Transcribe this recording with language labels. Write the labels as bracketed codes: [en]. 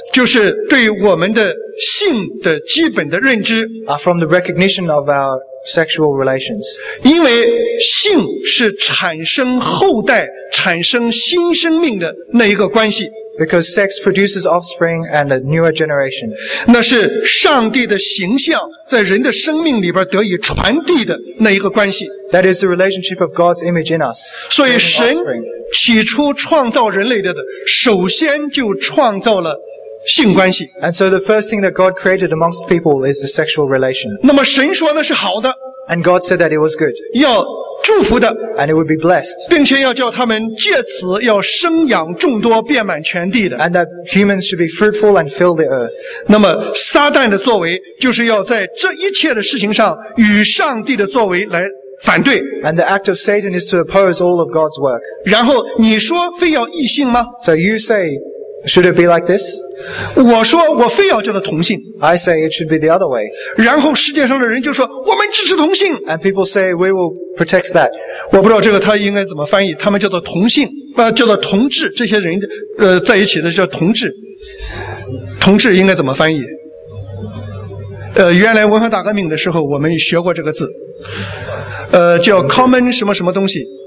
[zh] 就是对我们的性的基本的认知 [en] are from the recognition of our sexual relations. [zh] 因为性是产生后代产生新生命的那一个关系 [en] Because sex produces offspring and a newer generation. [zh] 那是上帝的形象在人的生命里边得以传递的那一个关系 [en] That is the relationship of God's image in us. [zh] 所以神起初创造人类的首先就创造了性关系 [en] And so the first thing that God created amongst people is the sexual relation. [zh] 那么神说那是好的 [en] And God said that it was good. [zh] 要祝福的 [en] And it would be blessed. [zh] 并且要叫他们借此要生养众多遍满全地的 [en] And that humans should be fruitful and fill the earth. [zh] 那么撒旦的作为就是要在这一切的事情上与上帝的作为来反对 [en] And the act of Satan is to oppose all of God's work. [zh] 然后你说非要异性吗 [en] So you say, should it be like this? [zh] 我说我非要叫他同性 [en] I say it should be the other way. [zh] 然后世界上的人就说我们支持同性 [en] And people say, we will protect that. [zh] 我不知道这个他应该怎么翻译他们叫做同性叫做同志这些人在一起的叫同志同志应该怎么翻译原来文化大革命的时候我们学过这个字叫 common 什么什么东西